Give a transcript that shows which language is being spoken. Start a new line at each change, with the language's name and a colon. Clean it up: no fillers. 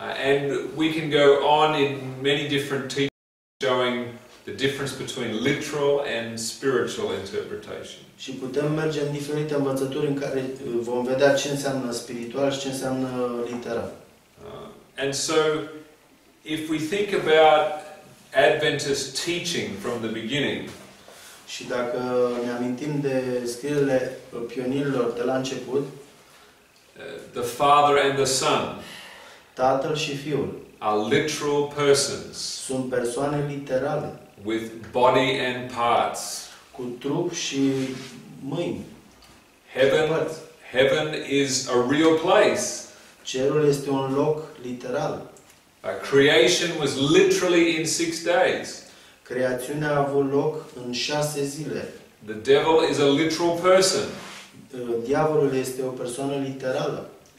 English: And we can go on in many different teachings showing the difference between literal and spiritual interpretation.
Romanian: Și putem merge în diferite învățături în care vom vedea ce înseamnă spiritual și ce înseamnă literal.
English: And so if we think about Adventist teaching from the beginning,
Romanian: și dacă ne amintim de scrierile pionierilor de la început,
English: the Father and the Son,
Romanian: Tatăl și Fiul,
English: are literal persons,
Romanian: sunt persoane literale,
English: with body and parts,
Romanian: cu trup și mâini.
English: Heaven is a real place.
Romanian: Cerul este un loc literal.
English: A creation was literally in 6 days.
Romanian: Creațiunea a avut loc în 6 zile.
English: The devil is a literal person.
Romanian: Diavolul este o persoană literală.